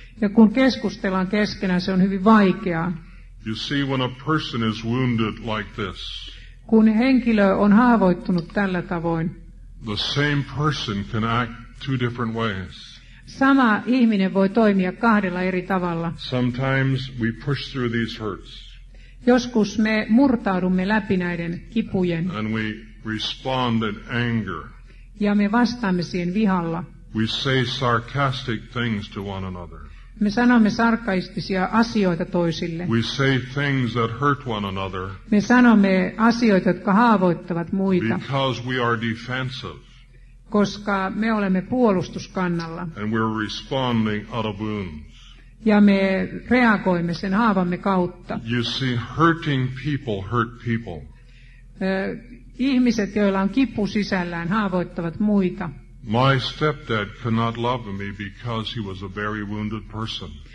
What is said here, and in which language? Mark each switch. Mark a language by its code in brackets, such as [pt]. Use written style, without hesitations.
[fi] Ja kun keskustellaan keskenään, se on hyvin vaikeaa. [en] You see, when a person is wounded like this, [fi] kun henkilö on haavoittunut tällä tavoin, [en] the same person can act two different ways. [fi] Sama ihminen voi toimia kahdella eri tavalla. [en] Sometimes we push through these hurts. [fi] Joskus me murtaudumme läpi näiden kipujen. [en] And we respond in anger. [fi] Ja me vastaamme siihen vihalla. [en] We say sarcastic things to one another. [fi] Me sanomme sarkastisia asioita toisille. [en] We say things that hurt one another. [fi] Me sanomme asioita, jotka haavoittavat muita. [en] Because we are defensive. [fi] Koska me olemme puolustuskannalla. [en] And we're responding out of wounds. [fi] Ja me reagoimme sen haavamme kautta. [en] You see, hurting people hurt people. [fi] Ihmiset, joilla on kipu sisällään, haavoittavat muita. [en] My stepdad could not love me because he was a very wounded person.